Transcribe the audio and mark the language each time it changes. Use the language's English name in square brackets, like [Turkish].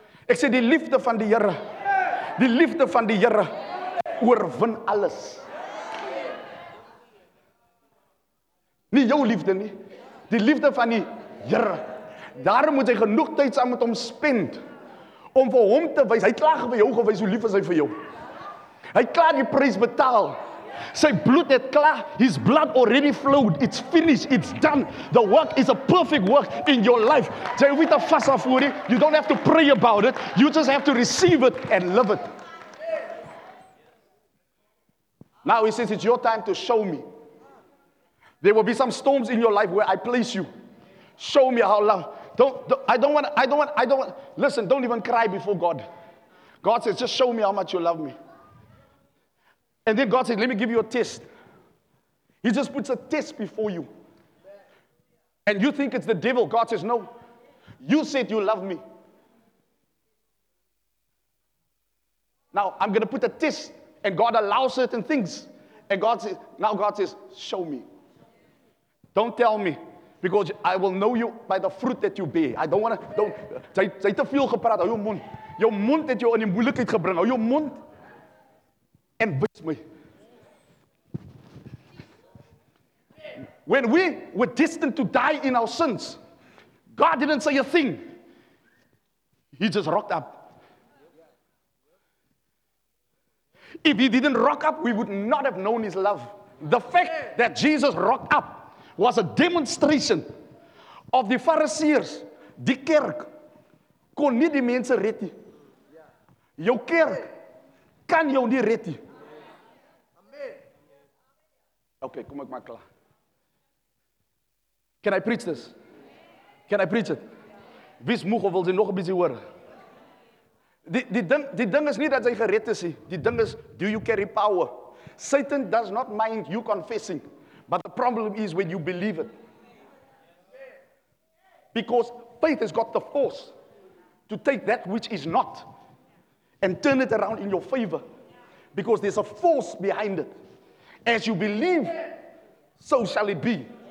[Afrikaans] Ek sê die liefde van die Here. Die liefde van die Here oorwin alles. Nie jou liefde nie. Die liefde van die Here. Daarom moet jy genoeg tyd saam met hom spend om vir hom te wys. Hy het klaar vir jou gewys hoe lief is hy vir jou. Hy het klaar die prys betaal. Sy bloed het klaar, [English] his blood already flowed, it's finished, it's done. The work is a perfect work in your life. [Afrikaans] Jy weet die fas af oor, [English] you don't have to pray about it, you just have to receive it and live it. Now he says, it's your time to show me. There will be some storms in your life where I place you. Show me how long. Listen, don't even cry before God. God says, just show me how much you love me. And then God says, let me give you a test. He just puts a test before you. And you think it's the devil. God says, no. You said you love me. Now, I'm going to put a test. And God allows certain things. And God says, now God says, show me. Don't tell me. Because I will know you by the fruit that you bear. I don't want to, say [Afrikaans] te veel gepraat, hou jou mond. Jou mond het jou in die moeilikheid gebring, hou jou mond. En wys my. [English] When we were destined to die in our sins, God didn't say a thing. He just rocked up. If he didn't rock up, we would not have known his love. The fact that Jesus rocked up was a demonstration of the Pharisees. [Afrikaans] Die kerk kon nie die mense red nie. Jou kerk kan jou nie red nie. Amen. Okay, kom ek maar klaar. [English] Can I preach this? Can I preach it? [Afrikaans] Wie's moeg of wil jy nog 'n bietjie hoor? Die ding is nie dat jy gered is nie. Die ding is, [English] do you carry power? Satan does not mind you confessing. But the problem is when you believe it. Because faith has got the force to take that which is not and turn it around in your favor. Because there's a force behind it. As you believe, so shall it be.